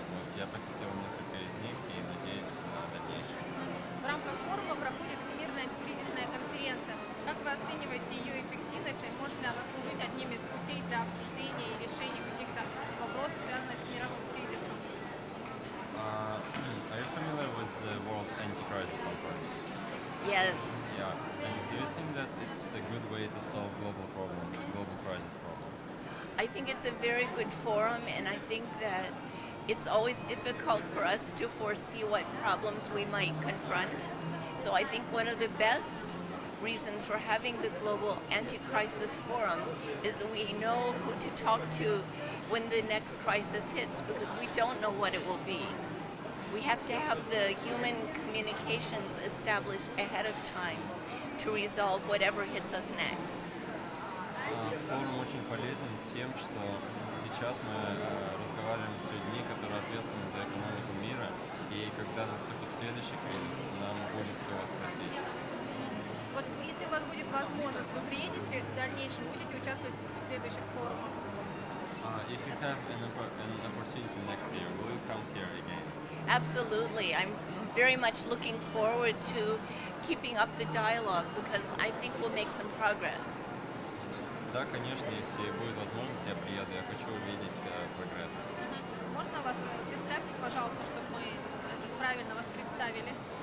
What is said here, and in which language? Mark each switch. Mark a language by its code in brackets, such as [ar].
[ru] Вот я посетил несколько из них и надеюсь на дальнейшее. В рамках форума проходит Всемирная антикризисная конференция. Как вы оцениваете ее эффективность, и может ли она служить одним из путей для обсуждения и решения каких-то вопросов, связанных с мировым кризисом? [en] Are you familiar with the World Anti-Crisis Conference? Yes. Yeah. And do you think that it's a good way to solve global problems, global crisis problems? I think it's a very good forum, and I think that it's always difficult for us to foresee what problems we might confront. So I think one of the best reasons for having the Global Anti-Crisis Forum is that we know who to talk to when the next crisis hits, because we don't know what it will be. We have to have the human communications established ahead of time to resolve whatever hits us next. [ru] Форум очень полезен тем, что сейчас мы разговариваем с людьми, которые ответственны за экономику мира, и когда наступит следующий кризис, нам будет с кого спросить. Вот если у вас будет возможность, вы приедете в дальнейшем, будете участвовать в следующих форумах? [en] If you have an opportunity next year, will you come here again? Absolutely. I'm very much looking forward to keeping up the dialogue because I think we'll make some progress. [ru] Да, конечно, если будет возможность, я приеду. Я хочу увидеть прогресс. Можно вас представить, пожалуйста, чтобы мы правильно вас представили?